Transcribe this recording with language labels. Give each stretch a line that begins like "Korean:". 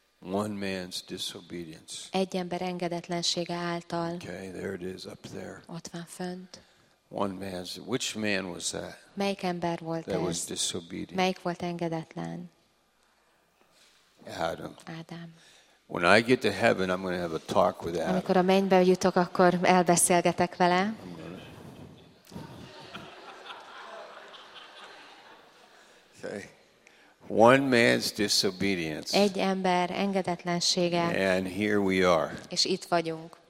English: One man's disobedience.
Hungarian: Egy ember engedetlensége által.
English: Okay, there it is up there.
Hungarian: Ott van fönt.
English: One man's, which man was that?
Hungarian: Melyik ember volt
English: that
Hungarian: ez?
English: Was disobedient.
Hungarian: Melyik volt engedetlen?
English: Adam.
Hungarian: Adam.
English: When I get to heaven, I'm going to have a talk with Adam.
Hungarian: Amikor a mennybe jutok, akkor elbeszélgetek vele.
English: One man's disobedience.
Hungarian: Egy ember engedetlensége.
English: And here we are.
Hungarian: És itt vagyunk.